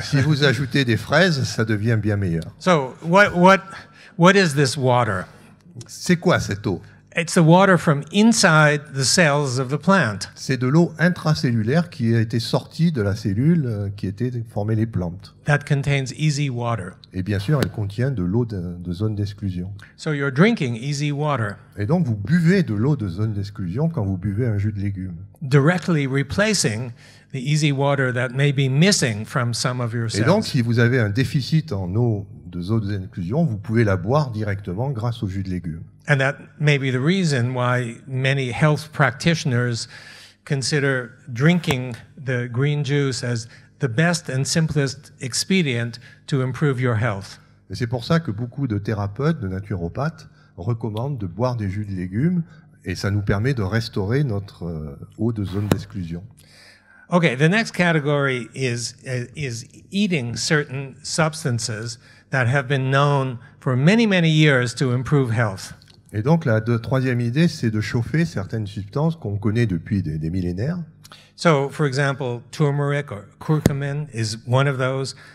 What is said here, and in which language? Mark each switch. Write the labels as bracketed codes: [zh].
[fr] Si vous ajoutez des fraises, ça devient bien meilleur. [en] So what is this water? [fr] C'est quoi cette eau? [en] It's the water from inside the cells of the plant. [fr] C'est de l'eau intracellulaire qui a été sortie de la cellule qui était formée les plantes. [en] That contains easy water. [fr] Et bien sûr, elle contient de l'eau de zone d'exclusion. [en] So you're drinking easy water. [fr] Et donc, vous buvez de l'eau de zone d'exclusion quand vous buvez un jus de légumes. [en] Directly replacing the easy water that may be missing from some of your cells. [fr] Et donc, si vous avez un déficit en eau de zone d'exclusion, vous pouvez la boire directement grâce au jus de légumes. [en] And that may be the reason why many health practitioners consider drinking the green juice as the best and simplest expedient to improve your health. [fr] Et c'est pour ça que beaucoup de thérapeutes, de naturopathes, recommandent de boire des jus de légumes, et ça nous permet de restaurer notre eau de zone d'exclusion. [en] Okay, the next category is eating certain substances that have been known for many, many years to improve health. [fr] Et donc, la troisième idée, c'est de chauffer certaines substances qu'on connaît depuis des millénaires. [en] So, for example, turmeric or curcumin is one of those.